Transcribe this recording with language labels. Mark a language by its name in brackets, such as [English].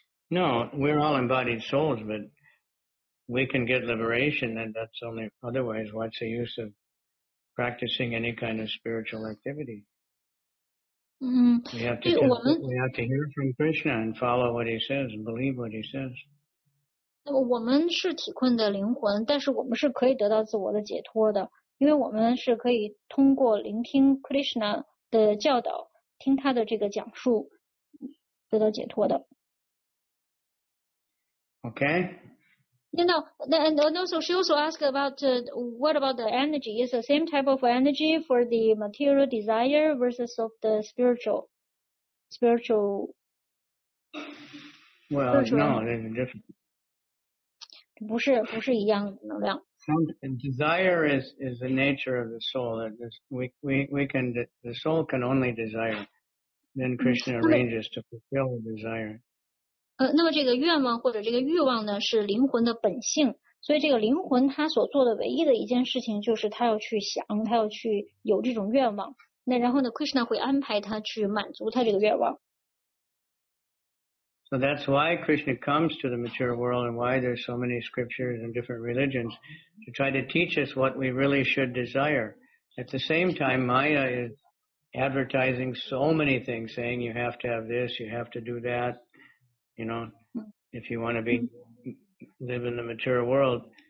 [English] No, we're all embodied souls, but... We can get liberation, and that's only otherwise. What's the use of practicing any kind of spiritual activity? We have to hear from Krishna and follow what he says and believe what he says. [Chinese] 那么我们是体困的灵魂，但是我们是可以得到自我的解脱的，因为我们是可以通过聆听 Krishna 的教导，听他的这个讲述，得到解脱的。 [English] Okay. You know, and also she also asked about, what about the energy? Is the same type of energy for the material desire versus of the spiritual? Well, no, they're different. [Chinese] 不是一样能量。 [English] Desire is the nature of the soul. The soul can only desire. Then Krishna arranges to fulfill the desire. [Chinese] 那么这个愿望或者这个欲望呢是灵魂的本性，所以这个灵魂它所做的唯一的一件事情就是它要去想，它要去有这种愿望，那然后呢 Krishna 会安排它去满足它这个愿望。 [English] So that's why Krishna comes to the mature world and why there's so many scriptures and different religions to try to teach us what we really should desire. At the same time, Maya is advertising so many things, saying you have to have this, you have to do that, you know, if you want to be live in the mature world.